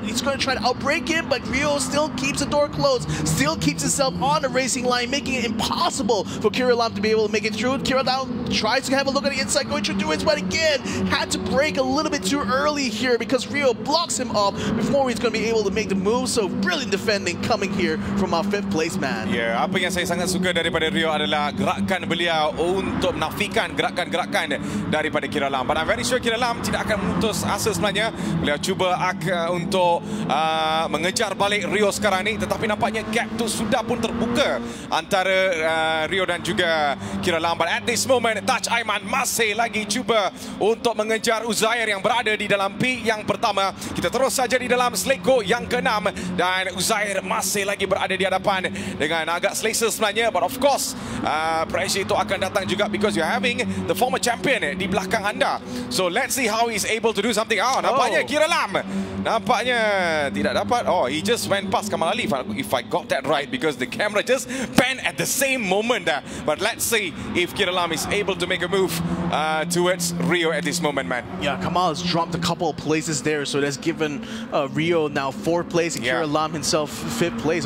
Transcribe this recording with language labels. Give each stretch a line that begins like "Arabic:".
English: He's going to try to outbreak him, but Rio still keeps the door closed, still keeps himself on the racing line, making it impossible for Kira Lam to be able to make it through. Kira Lam tries to have a look on the inside, going to do it, but again, had to break a little bit too early here because Rio blocks him up before he's going to be able to make the move. So brilliant defending coming here from our fifth place man.
Malay: Yeah, apa yang saya sangat suka daripada Rio adalah gerakan beliau untuk menafikan gerakan-gerakan daripada Kira Lam.
English: But I'm very sure
Malay: Kira Lam tidak akan putus asa sebenarnya. Beliau cuba untuk mengejar balik Rio sekarang ni, tetapi nampaknya gap tu sudah pun terbuka antara Rio dan juga Kira Lam.
English: But at this moment,
Malay: Taj Aiman masih lagi cuba untuk mengejar Uzair yang berada di dalam pit yang pertama. Kita terus saja di dalam Sleko yang keenam dan Uzair masih lagi berada di hadapan dengan agak selesa sebenarnya,
English: but of course pressure
Malay: itu akan datang juga
English: because you're having the former champion
Malay: di belakang anda.
English: So let's see how he's able to do something.
Malay: Oh, nampaknya Kiralam nampaknya tidak dapat.
English: Oh, he just went past Kamal Ali if I got that right because the camera just panned at the same moment there. But let's see if Kiralam is able to make a move towards Rio at this moment, man. Yeah, Kamal has dropped a couple of places there, so that's given Rio now fourth place and Kiralam himself fifth place.